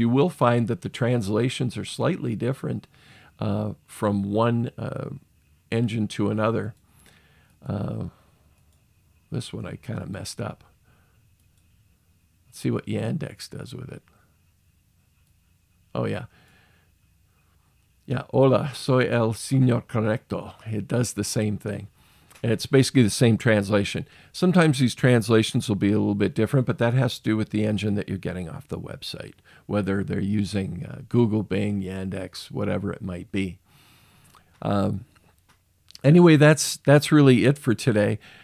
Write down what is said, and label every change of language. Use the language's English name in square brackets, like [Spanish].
[English] You will find that the translations are slightly different from one engine to another. This one I kind of messed up. See what Yandex does with it. Oh, yeah. [Spanish] Yeah, hola, soy el señor correcto. [English] It does the same thing. And it's basically the same translation. Sometimes these translations will be a little bit different, but that has to do with the engine that you're getting off the website, whether they're using Google, Bing, Yandex, whatever it might be. Anyway, that's really it for today.